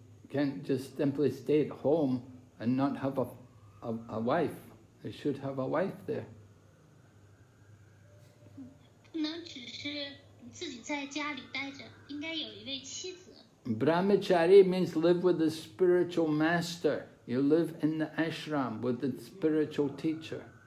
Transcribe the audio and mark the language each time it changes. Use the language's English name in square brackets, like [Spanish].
[English] Can't just simply stay at home and not have a wife. I should have a wife there. [Chinese] 不能只是自己在家里待着，应该有一位妻子。 [English] Brahmachari means live with the spiritual master. You live in the ashram with the spiritual teacher.